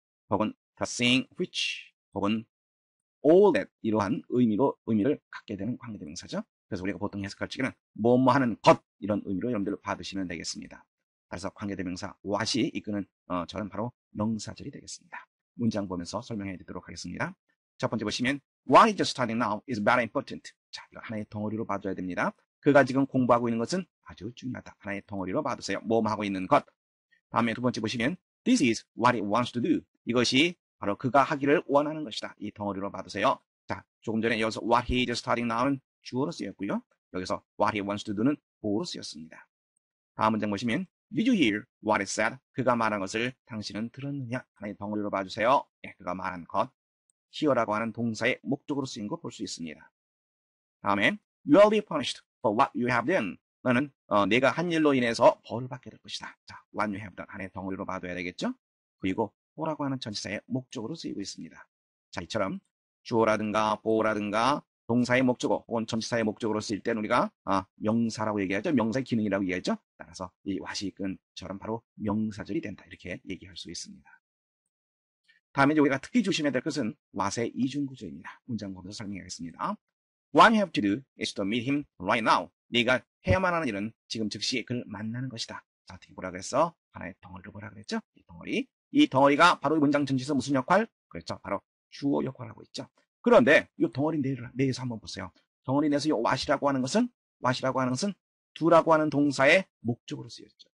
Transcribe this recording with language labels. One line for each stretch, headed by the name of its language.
Korean: 혹은
English: the thing which
Korean: 혹은
English: all that
Korean: 이러한 의미를 갖게 되는 관계대명사죠. 그래서 우리가 보통 해석할 적에는 뭐뭐 하는 것 이런 의미로 여러분들 받으시면 되겠습니다. 그래서 관계대명사 what이 이끄는 저는 바로 명사절이 되겠습니다. 문장 보면서 설명해 드리도록 하겠습니다. 첫 번째 보시면
English: what is studying now is very important.
Korean: 자, 이거 하나의 덩어리로 봐줘야 됩니다. 그가 지금 공부하고 있는 것은 아주 중요하다. 하나의 덩어리로 봐두세요. 뭐뭐 하고 있는 것. 다음에 두 번째 보시면
English: this is what he wants to do.
Korean: 이것이 바로 그가 하기를 원하는 것이다. 이 덩어리로 봐두세요. 자, 조금 전에 여기서
English: what he is studying now
Korean: 은 주어로 쓰였고요. 여기서
English: what he wants to do
Korean: 는 보어로 쓰였습니다. 다음 문장 보시면
English: Did you hear what he said?
Korean: 그가 말한 것을 당신은 들었느냐? 하나의 덩어리로 봐주세요. 예, 그가 말한 것. Hear라고 하는 동사의 목적으로 쓰인 거 볼 수 있습니다. 다음에
English: You will be punished for what you have done.
Korean: 너는 내가 한 일로 인해서 벌을 받게 될 것이다. 자,
English: what you have done.
Korean: 하나의 덩어리로 봐둬야 되겠죠? 그리고 for라고 하는 전치사의 목적으로 쓰이고 있습니다. 자, 이처럼 주어라든가 for라든가 동사의 목적어 혹은 전치사의 목적으로 쓰일 때는 우리가 명사라고 얘기하죠. 명사의 기능이라고 얘기하죠. 따라서 이 what이 이끈 저런 바로 명사절이 된다. 이렇게 얘기할 수 있습니다. 다음에 이제 우리가 특히 조심해야 될 것은 what의 이중구조입니다. 문장 보면서 설명하겠습니다.
English: What you have to do is to meet him right now.
Korean: 네가 해야만 하는 일은 지금 즉시 그를 만나는 것이다. 자, 어떻게 보라 그랬어? 하나의 덩어리로 보라 그랬죠? 이 덩어리. 이 덩어리가 바로 이 문장 전치사 무슨 역할? 그렇죠. 바로 주어 역할하고 있죠. 그런데 이 덩어리 내에서 한번 보세요. 덩어리 내에서 이 what이라고 하는 것은 what이라고 하는 것은 do라고 하는 동사의 목적으로 쓰였죠.